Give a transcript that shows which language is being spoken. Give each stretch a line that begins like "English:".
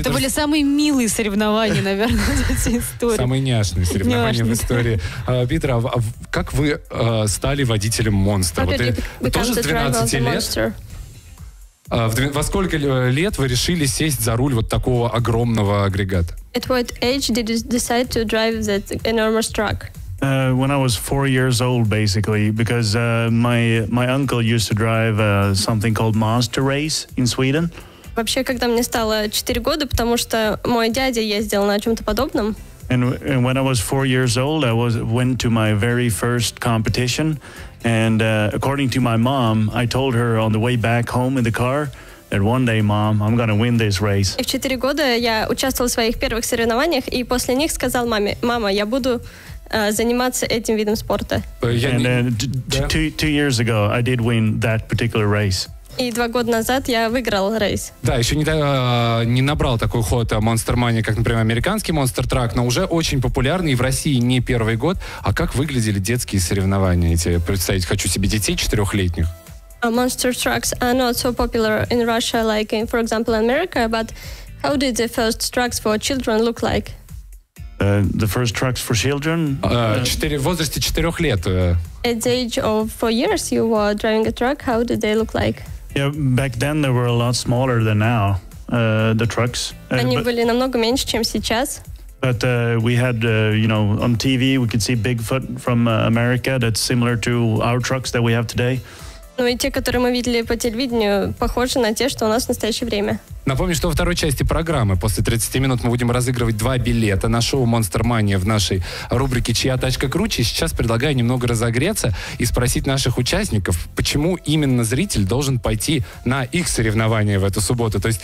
Russian: Это были самые милые соревнования, наверное, в этой истории. Самые няшные соревнования в истории. Питер, а как вы стали водителем монстра? Вот ты тоже с 12 лет? Во сколько лет вы решили сесть за руль вот такого огромного агрегата?
English: At what age did you decide to drive that enormous truck? When I was 4 years old, basically, because my uncle used to drive something called Monster Race in Sweden.
Russian: Вообще, когда мне стало 4 года, потому что мой дядя ездил на чем-то подобном.
English: And when I was 4 years old, I went to my very first competition, and according to my mom, I told her on the way back home in the car that one day, mom, I'm gonna win this race.
Russian: И в 4 года я участвовал в своих первых соревнованиях, и после них сказал маме: мама, я буду заниматься этим видом спорта.
English: Two years ago I did win that particular race.
Russian: И два года назад я выиграл рейс. Да, еще не набрал такой ход Monster Mania, как, например, американский Monster Truck, но уже очень популярный и в России не первый год. А как выглядели детские соревнования эти? Представить хочу себе детей четырехлетних.
English: Monster Trucks are not so popular in Russia, like, for example, in America, but how did the first trucks for children look like? The first trucks for children?
Russian: В возрасте четырех лет.
English: At the age of 4 years you were driving a truck, how did they look like? Yeah, back then they were a lot smaller than now, the trucks.
Russian: Они были намного меньше, чем сейчас.
English: But we had, you know, on TV we could see Bigfoot from America that's similar to our trucks that we have today.
Russian: Ну и те, которые мы видели по телевидению, похожи на те, что у нас в настоящее время. Напомню, что во второй части программы после 30 минут мы будем разыгрывать два билета на шоу «Monster Mania» в нашей рубрике «Чья тачка круче?». Сейчас предлагаю немного разогреться и спросить наших участников, почему именно зритель должен пойти на их соревнования в эту субботу.